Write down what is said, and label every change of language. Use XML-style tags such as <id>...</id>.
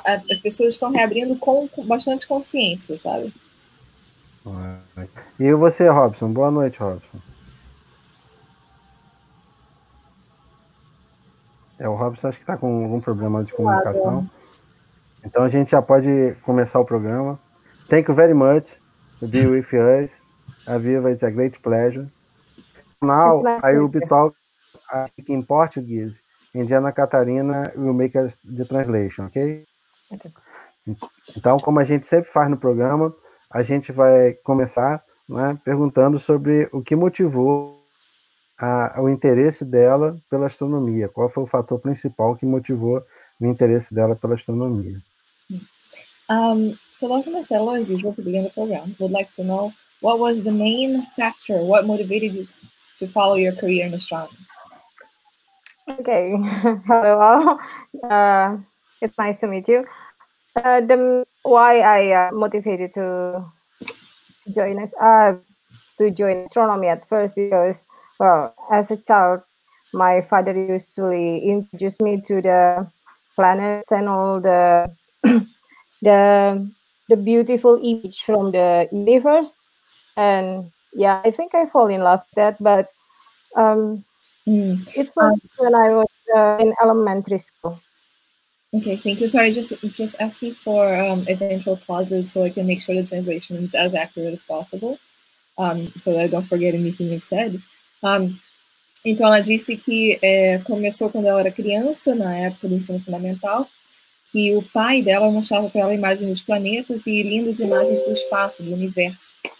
<pt>as pessoas estão reabrindo com bastante consciência, sabe? E você, Robson? Boa noite, Robson. O Robson acho que está com algum problema de comunicação. Então, a gente já pode começar o programa.</pt> <en>Thank you very much. Be with us, Avivah, it's a great pleasure. Now, I will be talking in Portuguese, and Ana Catarina will make us the translation, okay?</en> <pt>Então, como a gente sempre faz no programa, a gente vai começar, né, perguntando sobre o que motivou o interesse dela pela astronomia, qual foi o fator principal que motivou o interesse dela pela astronomia.</pt> <en>So welcome, Marcelo, as usual, to begin the program. We'd like to know, what was the main factor, what motivated you to follow your career in astronomy? Okay, hello all. It's nice to meet you. Why I motivated to join astronomy at first, because Well, as a child, my father usually introduced me to the planets and all the beautiful image from the universe. And yeah, I think I fall in love with that. But it was when I was in elementary school. Okay, thank you. Sorry, just asking for eventual pauses so I can make sure the translation is as accurate as possible, so that I don't forget anything you've said.</en> <pt>Então, ela disse que começou quando ela era criança, na época do ensino fundamental, que o pai dela mostrava para ela imagens dos planetas e lindas imagens do espaço, do universo.</pt>